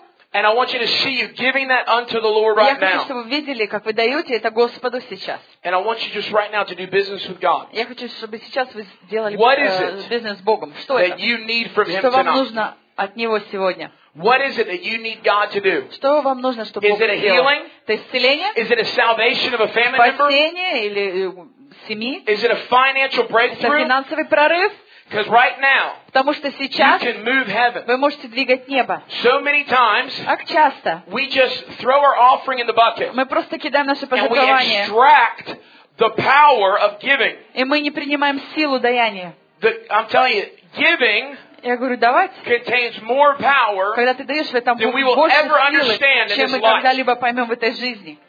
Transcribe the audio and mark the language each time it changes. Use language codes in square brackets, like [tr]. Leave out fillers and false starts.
[en] And I want you to see you giving that unto the Lord right now. [ru] Я хочу, чтобы вы видели, как вы даете это Господу сейчас. [en] And I want you just right now to do business with God. [ru] Я хочу, чтобы сейчас вы сделали бизнес с Богом. Что это? [en] That you need from Him tonight. [ru] Что вам нужно от Него сегодня? [en] What is it that you need God to do? [ru] Что вам нужно, чтобы Бог сделал? [en] Is it a healing? [ru] Это исцеление? [en] Is it a salvation of a family member? [ru] Спасение или семьи? [en] Is it a financial breakthrough? [ru] Это финансовый прорыв? [en] Because right now, [ru] потому что сейчас [en] you can move heaven. [ru] Вы можете двигать небо. [en] So many times, [ru] так часто [en] we just throw our offering in the bucket, [ru] мы просто кидаем наше пожертвование, [en] and we extract the power of giving. [ru] И мы не принимаем силу даяния. [en] I'm telling you, giving, [ru] я говорю, давать, [en] contains more power, [ru] когда ты даешь, в этом [en] than we will ever understand [ru] силы, чем [en] in [ru] мы когда-либо поймем в этой жизни.